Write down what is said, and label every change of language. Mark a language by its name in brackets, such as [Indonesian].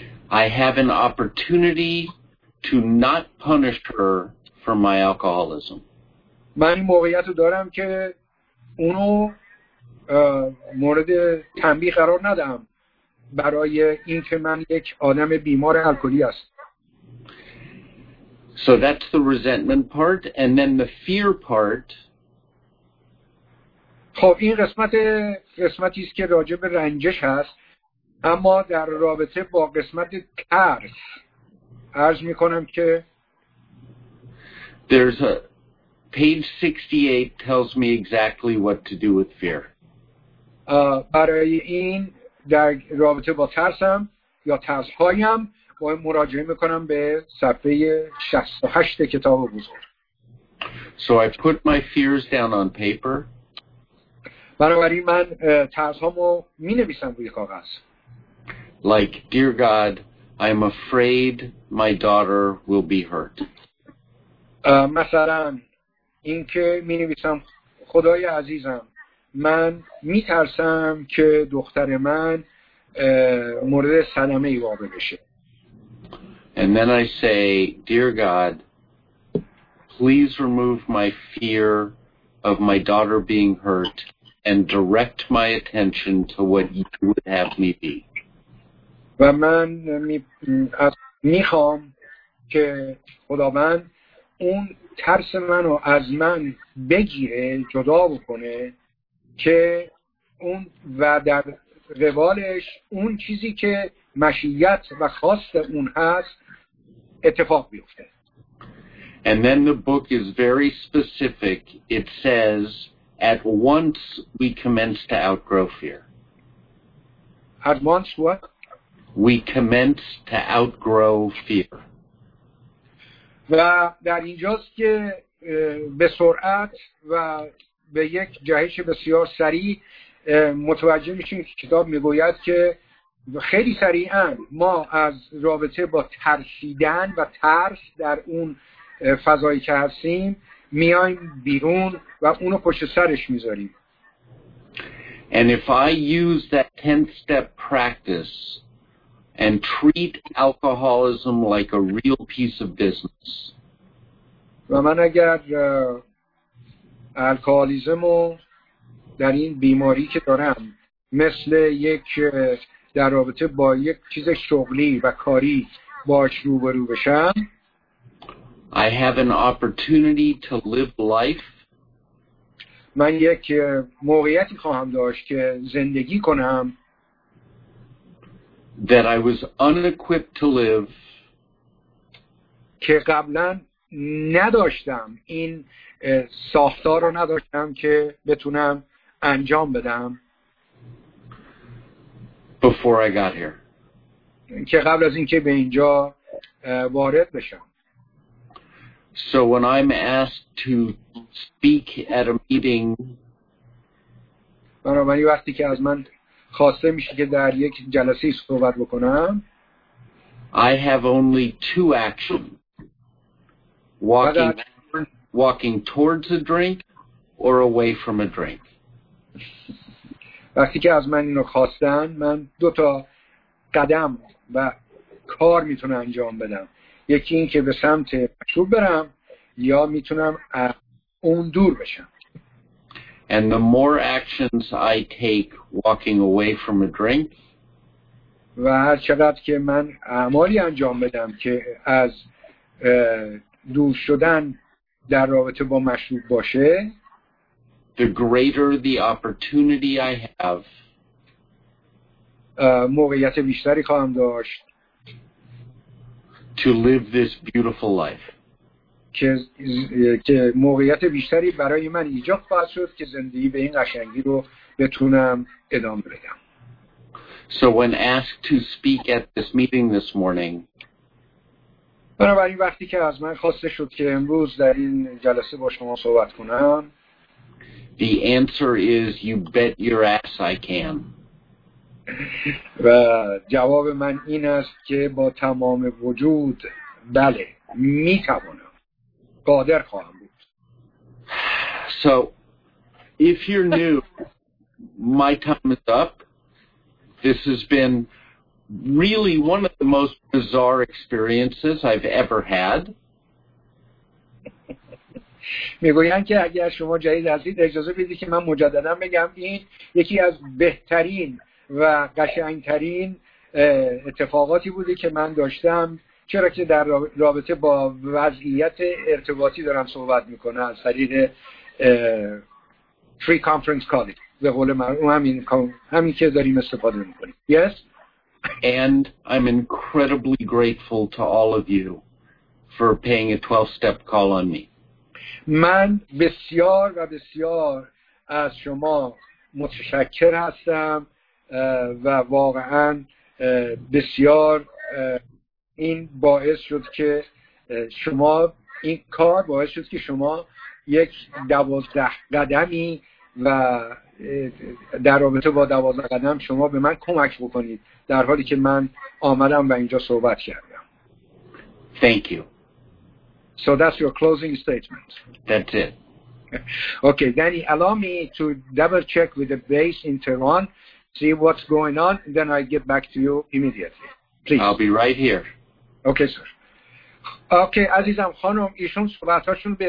[English] I have an opportunity to not punish her for my alcoholism. [Persian] من موقعیتو دارم که اونو مورد تنبیه قرار ندم برای اینکه من یک آدم بیمار الکلی هستم. [English] So that's the resentment part, and then the fear part. [Persian] خب این قسمتی است که راجع به رنجش هست، اما در رابطه با قسمت ترس عرض می کنم که [English] there's a page 68 tells me exactly what to do with fear. [Persian] برای این در رابطه با ترسم یا ترسهایم و مراجعه میکنم به صفحه 68 کتاب بزرگ. [English] So I put my fears down on paper. [Persian] بنابراین من ترسهامو می نویسم روی کاغذ. [English] Like, dear God, I'm afraid my daughter will be hurt. [Persian] مثلا این که می نویسم خدای عزیزم من می ترسم که دختر من مورد صدمه ای واقع بشه. [English] And then I say, dear God, please remove my fear of my daughter being hurt and direct my attention to what you would have me be. [Persian] و من میخوام که خداوند اون ترس منو از من بگیره جدا بکنه که اون و در قبالش اون چیزی که مشیت و خواست اون هست اتفاق بیفته. [English] And then the book is very specific. It says at once we commence to outgrow fear. At once what? We commence to outgrow fear. [Persian] و در اینجاست که به سرعت و به یک جهش بسیار سریع متوجه میشیم که کتاب میگوید که خیلی سریعا ما از رابطه با ترسیدن و ترس در اون فضایی که هستیم میایم بیرون و اونو پشت سرش میذاریم. [English] And if I use that 10-step practice and treat alcoholism like a real piece of business. [Persian] و من اگر الکالیزمو در این بیماری که دارم مثل یک در رابطه با یک چیز شغلی و کاری باش روبرو بشم، [English] I have an opportunity to live life. [Persian] من یک موقعیتی خواهم داشت که زندگی کنم [English] that I was unequipped to live. [Persian] که قبلا نداشتم این ساختار رو نداشتم که بتونم انجام بدم. [English] Before I got here. [Persian] که قبل از اینکه به اینجا وارد بشم. [English] So when I'm asked to speak at a meeting. [Persian] بنابراین وقتی که از من خواسته میشه که در یک جلسه صحبت بکنم، [English] I have only two actions. Walking towards a drink or away from a drink. [Persian] وقتی که از من اینو خواستن، من دو تا قدم و کار میتونم انجام بدم. یکی این که به سمت مشروب برم یا میتونم از اون دور بشم. [English] And the more actions I take walking away from a drink, [Persian] و هر چقدر که من اعمالی انجام بدم که از دور شدن در رابطه با مشروب باشه، [English] the greater the opportunity I have, [Persian] موقعیت بیشتری خواهم داشت [English] to live this beautiful life, [Persian] که موقعیت بیشتری برای من ایجاد خواهد شد که زندگی به این قشنگی رو بتونم ادامه بدم. [English] So when asked to speak at this meeting this morning, [Persian] بنابراین وقتی که از من خواسته شد که امروز در این جلسه با شما صحبت کنم, [English] the answer is you bet your ass I can. [Persian] و جواب من این است که با تمام وجود بله می توانم قادر خواهم بود. [English] So if you're new, my time is up. This has been really one of the most bizarre experiences I've ever had. [Persian] میگویند که اگر شما جدید هستید اجازه بدید که من مجددا بگم این یکی از بهترین و قشنگترین اتفاقاتی بوده که من داشتم, چرا که در رابطه با وضعیت ارتباطی دارم صحبت میکنم از طریق فری کانفرنس کالی به قول من همین که داریم استفاده میکنیم. [English] Yes? And I'm incredibly grateful to all of you for paying a 12-step call on me. [Persian] من بسیار و بسیار از شما متشکر هستم و واقعا بسیار این باعث شد که شما این کار باعث شد که شما یک 12 قدمی و در رابطه با 12 قدم شما به من کمک بکنید در حالی که من آمدم و اینجا صحبت کردم. [English] Thank you. So that's your closing statement. That's it. Okay, Danny, allow me to double check with the base in Tehran, see what's going on, and then I get back to you immediately. Please. I'll be right here. Okay, sir. Okay, [Persian] عزیزم خانم, ایشون صحبتاشون به